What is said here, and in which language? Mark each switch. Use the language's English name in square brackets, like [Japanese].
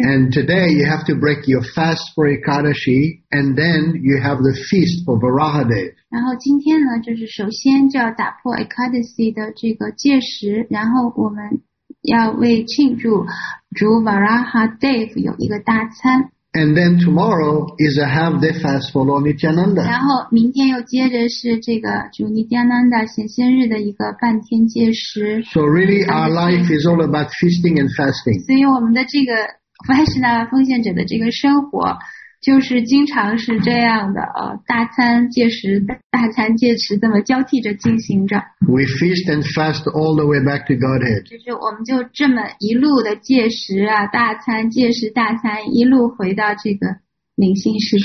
[English] And today you have to break your fast for Ekadasi and then you have the feast for Varaha Day. [Chinese] 然后今天呢就是首先就要打破 Ekadasi 的这个戒食，然后我们要为庆祝主 Varaha Day 有一个大餐。 [English] And then tomorrow is a half-day fast for Lord Nityananda. [Chinese] 然后明天又接着是这个主尼迦南达显现日的一个半天戒食。 [English] So really, our life is all about feasting and fasting. [Chinese] 所以我们的这个 Vaishnava 奉献者的这个生活，就是经常是这样的，大餐戒食，大餐戒食，这么交替着进行着。 [English] We feast and fast all the way back to Godhead. [Chinese] 就是我们就这么一路的戒食啊，大餐戒食，大餐，一路回到这个灵性世界。